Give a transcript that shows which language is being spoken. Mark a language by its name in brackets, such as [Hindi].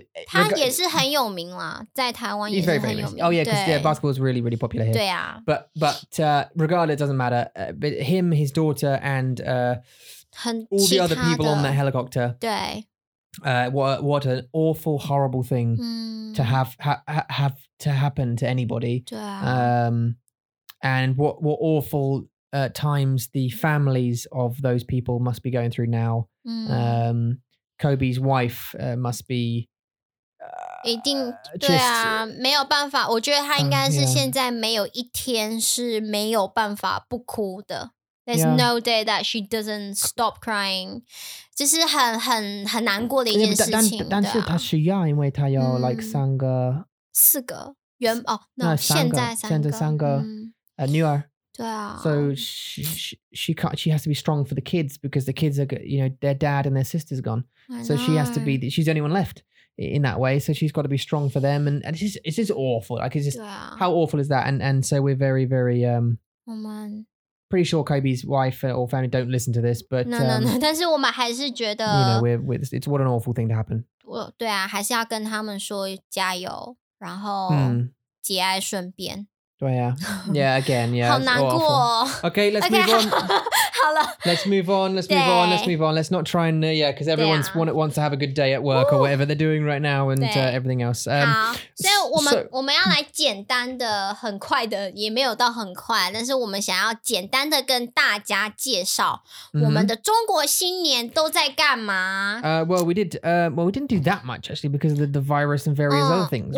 [Chinese] 他也是很有名啦在台湾也是很有名 [English] He's very famous. Oh yeah, because yeah, basketball is really, really popular here. [Chinese] 对啊 [English] But regardless, it doesn't matter. But him, his daughter, and all the other people on that helicopter. [Chinese] 对 [English] What an awful, horrible thing to have to happen to anybody. [Chinese] 对啊 [English] And what awful times the families of those people must be going through now.、 Mm. Kobe's wife must be... [Chinese] 一定 just, 对啊没有办法我觉得他应该是现在没有一天是没有办法不哭的。 [English] There's、 yeah. no day that she doesn't stop crying. [Chinese] 这是很难过的一件事情。但是他需要因为他有 like 三个。四个。原哦 no, 三个现在三个。 [English] Newer. [Chinese] 对啊 [English] So she can't, she has to be strong for the kids because the kids are, you know, their dad and their sister's gone. So she has to be, she's the only one left in that way. So she's got to be strong for them. And it's just awful. Like, it's just, how awful is that? And so we're very, very, pretty sure Kobe's wife or family don't listen to this. But, no, no, no. [Chinese] 但是我们还是觉得 [English] you know, it's what an awful thing to happen. [Chinese] 对啊还是要跟他们说加油然后节哀顺便对啊 [English] yeah, again, yeah. [Chinese] 好难过、 [English] 哦。Okay, let's move on. [Chinese] 好了 [English] Let's move on. Let's not try and, yeah, because everyone wants to have a good day at work or whatever they're doing right now and everything else. [Chinese] 所以我们要来简单的 很快的，也没有到很快，但是我们想要简单的跟大家介绍我们的中国新年都在干嘛。 [English] Well, we didn't do that much actually because of the virus and various other things, right?